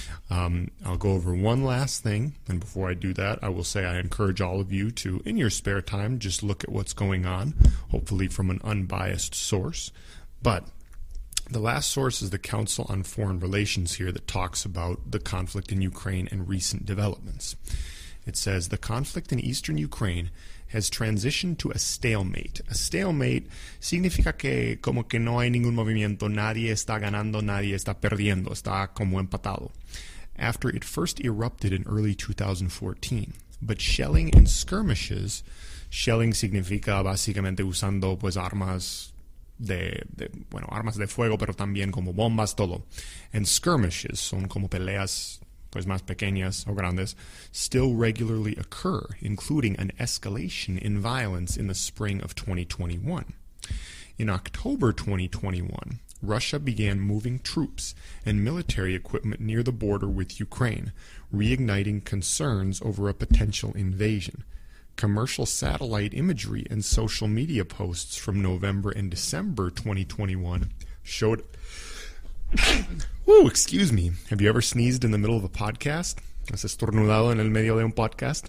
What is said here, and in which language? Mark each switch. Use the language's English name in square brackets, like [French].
[English] I'll go over one last thing, and before I do that, I will say I encourage all of you to, in your spare time, just look at what's going on, hopefully from an unbiased source. But the last source is the Council on Foreign Relations here that talks about the conflict in Ukraine and recent developments. It says the conflict in eastern Ukraine has transitioned to a stalemate. [Spanish] A stalemate significa que como que no hay ningún movimiento, nadie está ganando, nadie está perdiendo, está como empatado. [English] After it first erupted in early 2014. But shelling and skirmishes, [Spanish] shelling significa básicamente usando pues armas de armas de fuego, pero también como bombas, todo. [English] And skirmishes [Spanish] son como peleas pues más pequeñas o grandes, [English] still regularly occur, including an escalation in violence in the spring of 2021. In October 2021, Russia began moving troops and military equipment near the border with Ukraine, reigniting concerns over a potential invasion. Commercial satellite imagery and social media posts from November and December 2021 showed... Ooh, excuse me. Have you ever sneezed in the middle of a podcast? [Spanish] ¿Has estornudado en el medio de un podcast?